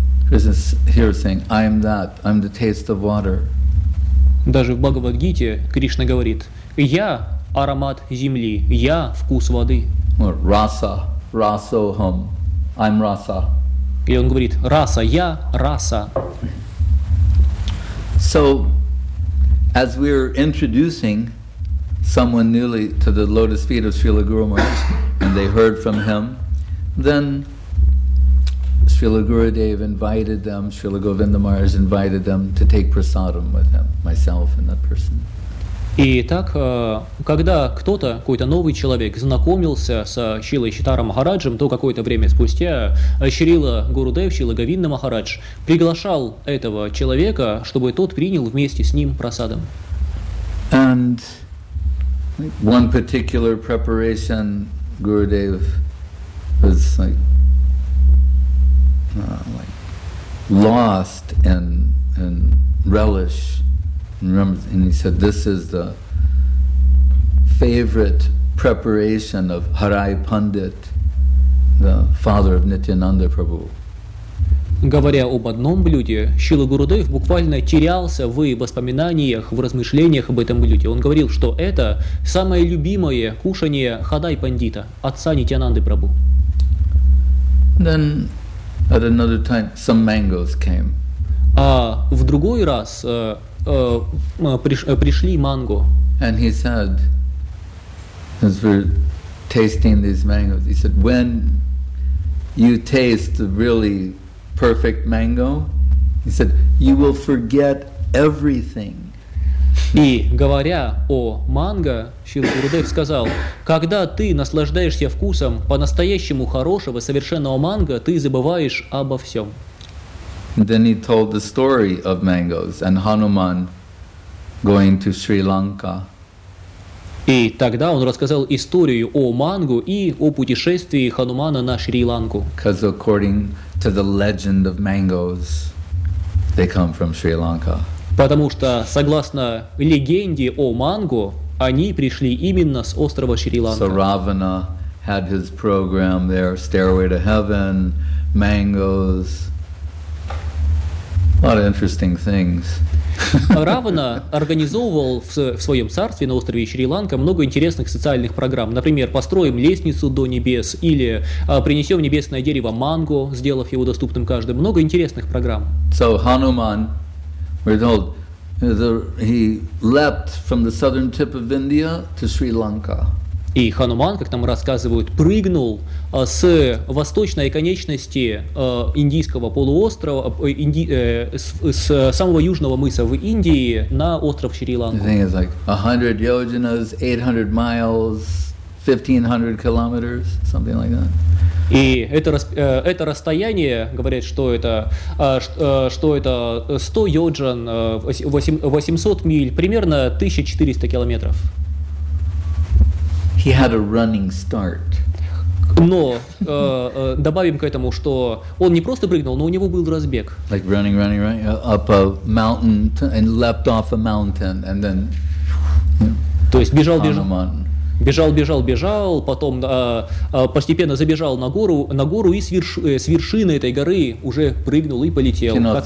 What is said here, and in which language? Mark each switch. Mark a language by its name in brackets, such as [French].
[English] This is here saying, I am that, I'm the taste of water. [Russian] Даже в Бхагавад-гите Кришна говорит: «Я аромат земли, я вкус воды». [Sanskrit] Раса, расохам, [English] I'm [Sanskrit] раса. [Russian] И он говорит: «Раса, я раса». [English] So, as we're introducing someone newly to the lotus feet of Srila Guru Maharaj, and they heard from him, then Srila Gurudev invited them, Srila Govinda Maharaj invited them to take prasadam with him, myself and that person. [Russian] И так, когда кто-то, какой-то новый человек, знакомился с Шрилой Читара Махараджем, то какое-то время спустя Шрила Гурудев, Шрила Говинда Махарадж приглашал этого человека, чтобы тот принял вместе с ним прасадам. [English] And one particular preparation Gurudev was like lost in relish. And he said, this is the favorite preparation of Harai Pandit, the father of Nityananda Prabhu. [Russian] Говоря об одном блюде, Шрила Гурудев буквально терялся в воспоминаниях, в размышлениях об этом блюде. Он говорил, что это самое любимое кушание Харай Пандита, отца Нитьянанды Прабху. [English] Then at another time some mangoes came. [Russian] А в другой раз пришли манго. [English] And he said, as we're tasting these mangoes, he said, when you taste the really perfect mango, he said, you will forget everything. [Russian] И говоря о манго, Шрила Гурудев сказал, когда ты наслаждаешься вкусом по-настоящему хорошего, совершенного манго, ты забываешь обо всем. [English] Then he told the story of mangoes and Hanuman going to Sri Lanka. [Russian] И тогда он рассказал историю о манго и о путешествии Ханумана на Шри-Ланку. [English] Because according to the legend of mangoes, they come from Sri Lanka. [Russian] Потому что, согласно легенде о манго, они пришли именно с острова Шри-Ланка. [English] So Ravana had his program there, Stairway to Heaven, mangoes, a lot of interesting things. [Russian] Равана организовывал в своем царстве на острове Шри-Ланка много интересных социальных программ. Например, построим лестницу до небес или принесем небесное дерево манго, сделав его доступным каждому. Много интересных программ. [English] So Hanuman, we're told, he leapt from the southern tip of India to Sri Lanka. [Russian] И Хануман, как нам рассказывают, прыгнул с восточной оконечности индийского полуострова, с самого южного мыса в Индии на остров Шри-Ланку. [English] The thing is like 100 yojanas, 800 miles, 1500 kilometers, something like that. [Russian] И это расстояние, говорят, что это 100 йоджан, 800 миль, примерно 1400 километров. [English] He had a running start. [Russian] Но добавим к этому, что он не просто прыгнул, но у него был разбег. [English] Like running, running, running up a mountain and leapt off a mountain and then. [Russian] То есть бежал, потом постепенно забежал на гору и с вершины этой горы уже прыгнул и полетел.